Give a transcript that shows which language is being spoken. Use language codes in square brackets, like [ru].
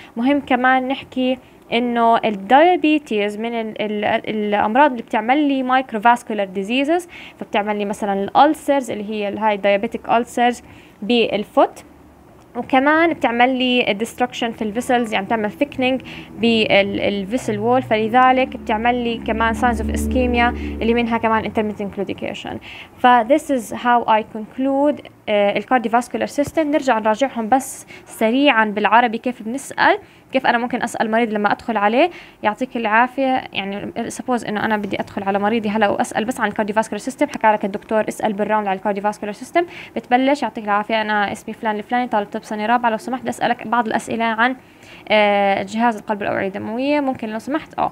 [ar] مهم كمان نحكي انه الديابيتيز من الامراض اللي بتعمل لي مايكروفاسكولار ديزيزز, فبتعمل لي مثلا الالسرز اللي هي الهاي ديابيتيك ألسرز بالفوت, وكمان بتعمل لي destruction في الفيسلز يعني بتعمل thickening بالفيسل وول, فلذلك بتعمل لي كمان signs of ischemia اللي منها كمان intermittent claudication. [en] ف this is how I conclude الكارديوفاسكولار system. [ar] نرجع نراجعهم بس سريعا بالعربي كيف بنسأل, كيف أنا ممكن أسأل مريض لما أدخل عليه يعطيك العافية. يعني suppose إنه أنا بدي أدخل على مريضي هلا وأسأل بس عن الكارديوفاسكولار سيستم, حكى لك الدكتور اسأل بالراوند على الكارديوفاسكولار سيستم, بتبلش يعطيك العافية أنا اسمي فلان الفلاني طالب طب سنة رابعة, لو سمحت أسألك بعض الأسئلة عن جهاز القلب الأوعية الدموية ممكن لو سمحت.